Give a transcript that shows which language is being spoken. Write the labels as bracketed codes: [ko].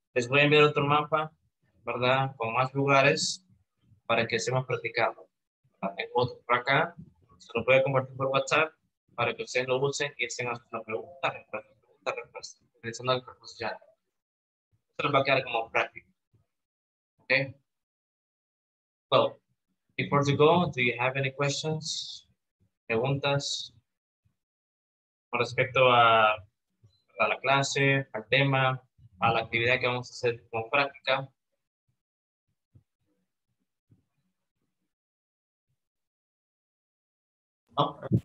[es] Les voy a enviar otro mapa, ¿verdad? Con más lugares para que estemos practicando. En otro por acá. Se lo puede compartir por WhatsApp para que ustedes lo usen y estén haciendo preguntas, respuestas, utilizando la preposición. Es esto nos va a quedar como práctico. Okay. [en] Well, before to go, do you have any questions? [es] Preguntas con respecto a la clase, al tema, a la actividad que vamos a hacer como práctica. No.